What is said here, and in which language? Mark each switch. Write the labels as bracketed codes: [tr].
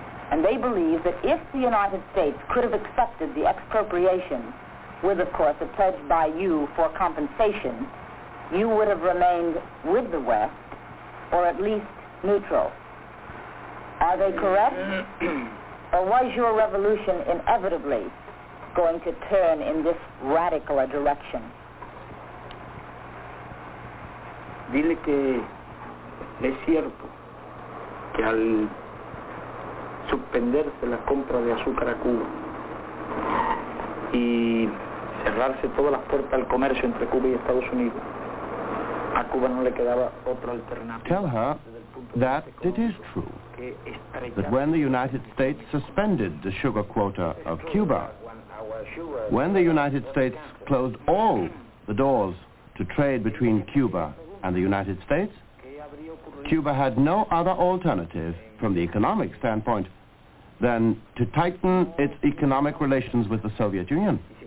[en] And they believe that if the United States could have accepted the expropriation, with, of course, a pledge by you for compensation, you would have remained with the West, or at least neutral. Are they correct? Or was your revolution inevitably going to turn in this radical a direction? [es] Dile que es cierto que al suspenderse la compra de azúcar a Cuba y cerrarse todas las puertas al comercio entre Cuba y Estados Unidos, a Cuba no le quedaba otra alternativa. [en] Tell her that it is true that when the United States suspended the sugar quota of Cuba, when the United States closed all the doors to trade between Cuba and the United States, Cuba had no other alternative from the economic standpoint than to tighten its economic relations with the Soviet Union.